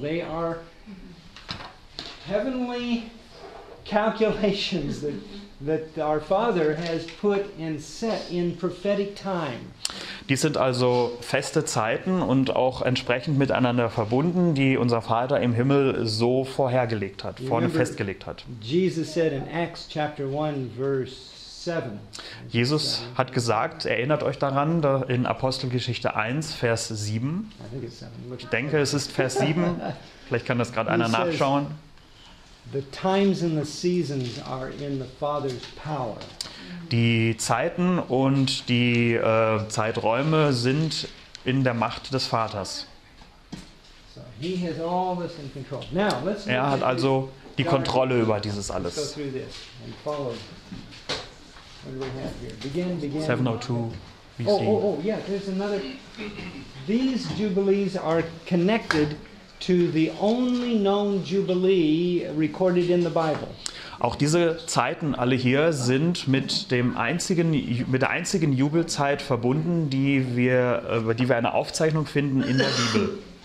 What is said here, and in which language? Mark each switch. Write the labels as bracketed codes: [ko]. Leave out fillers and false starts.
[en] They are heavenly calculations that our Father has put and set in prophetic time. [de] Dies sind also feste Zeiten und auch entsprechend miteinander verbunden, die unser Vater im Himmel so vorhergelegt hat, vorne festgelegt hat. [en] Jesus said in Acts chapter 1 verse 7. [de] Jesus hat gesagt, erinnert euch daran, in Apostelgeschichte 1 Vers 7. Ich denke, es ist Vers 7. Vielleicht kann das gerade einer nachschauen. [en] The times and the seasons are in the Father's power. [de] Die Zeiten und die Zeiträume sind in der Macht des Vaters. [en] So he has all this in control. Now, let's [de] er hat also die Kontrolle über dieses alles. [en] 702 BC. Oh, there's another. These jubilees are connected to the only known jubilee recorded in the Bible. [de] Auch diese Zeiten alle hier sind mit der einzigen Jubelzeit verbunden, über die wir eine Aufzeichnung finden in der Bibel.